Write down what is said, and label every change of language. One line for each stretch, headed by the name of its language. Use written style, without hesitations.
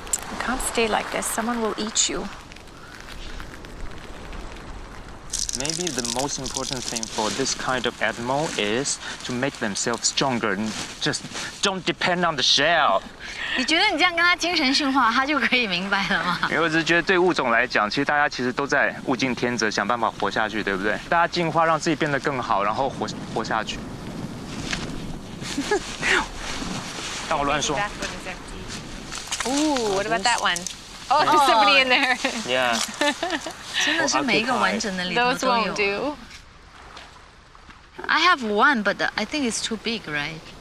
English: You can't stay like this. Someone will eat you. Maybe the most important thing for this kind of animal is to make themselves stronger. Just don't depend on the shell.
Chinese: 你觉得你这样跟他精神训话，他就可以明白了吗？因为我只是觉得，对物种来讲，其实大家其实都在物竞天择，想办法活下去，对不对？大家进化，让自己变得更好，然后活下去。当我乱说。
English: Oh, what about that one? Oh, there's somebody in there. Yeah.
Chinese: 真的是每一个完整的里头都有。
English: Those won't do. I have one, but I think it's too big, right?